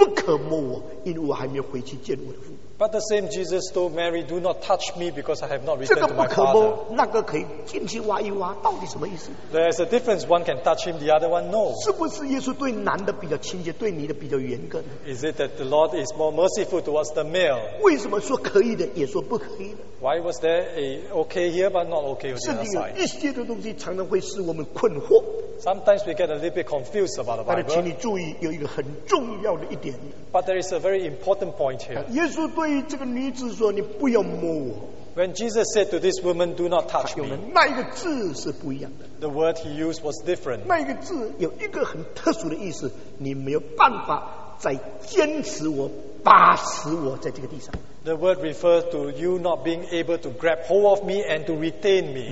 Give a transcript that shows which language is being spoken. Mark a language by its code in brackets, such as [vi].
[zh] 为什么这位耶稣又对玛利亚说，你不可摸我，因为我还没有回去见我的父。 [en] But the same Jesus told Mary, do not touch me because I have not returned to my father. [zh] 这个不可摸，那个可以进去挖一挖，到底什么意思？ [en] There's a difference. One can touch him, the other one no. [zh] 是不是耶稣对男的比较亲切，对你的比较严格呢？ [en] Is it that the Lord is more merciful towards the male? [zh] 为什么说可以的，也说不可以的？ [en] Why was there a okay here but not okay on the other side? [zh] 圣经有一些的东西常常会使我们困惑。 [en] Sometimes we get a little bit confused about the Bible. [zh] 但是请你注意，有一个很重要的一点。 [en] But there is a very important point here. [zh] 耶稣对这个女子说，你不要摸我。 [en] When Jesus said to this woman, do not touch me, [zh] 他用的那一个字是不一样的。 [en] The word he used was different. [zh] 那一个字有一个很特殊的意思， 你没有办法再坚持我，把持我在这个地上。 [en] The word refers to you not being able to grab hold of me and to retain me.